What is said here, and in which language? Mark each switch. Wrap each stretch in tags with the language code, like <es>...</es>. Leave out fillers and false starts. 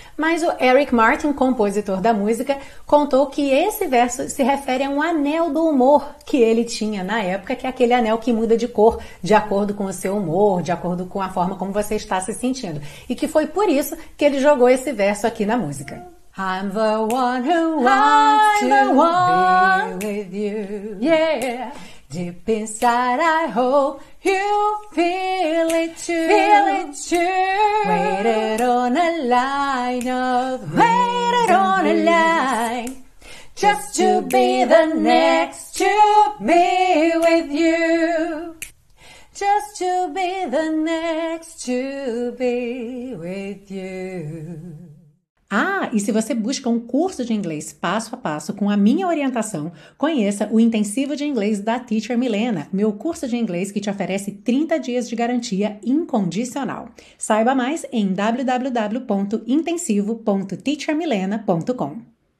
<pt>Mas o Eric Martin, compositor da música, contou que esse verso se refere a um anel do humor que ele tinha na época, que é aquele anel que muda de cor de acordo com o seu humor, de acordo com a forma como você está se sentindo. E que foi por isso que ele jogou esse verso aqui na música.</pt> <en>I'm the one who wants to be with you. Yeah. Deep inside, I hope you feel it too. Feel it too. Waited on a line of waited on a line just to be the next to be with you. Just to be the next to be with you.</en> <pt>Ah, e se você busca um curso de inglês passo a passo com a minha orientação, conheça o Intensivo de Inglês da Teacher Milena, meu curso de inglês que te oferece 30 dias de garantia incondicional. Saiba mais em www.intensivo.teachermilena.com.</pt>